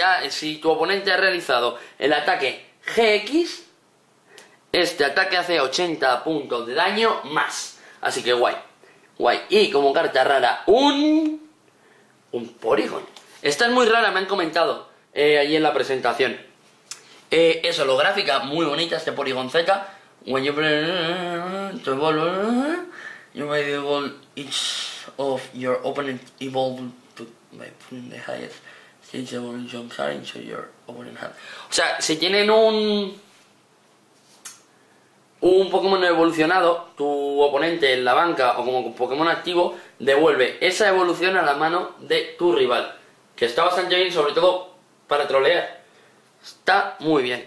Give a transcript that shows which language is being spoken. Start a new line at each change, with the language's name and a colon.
Spanish: Si tu oponente ha realizado el ataque GX, este ataque hace 80 puntos de daño más. Así que guay. Guay. Y como carta rara, un Porygon. Esta es muy rara, me han comentado allí en la presentación. Es holográfica, muy bonita este Porygon Z.
English: When you play to evolve, you may evolve each of your opponent evolve to by putting the highest stage evolution card into your opponent hand.
Spanish: O sea, si tienen un Pokémon evolucionado, tu oponente en la banca o como Pokémon activo, devuelve esa evolución a la mano de tu rival. Que está bastante bien, sobre todo para trolear. Está muy bien.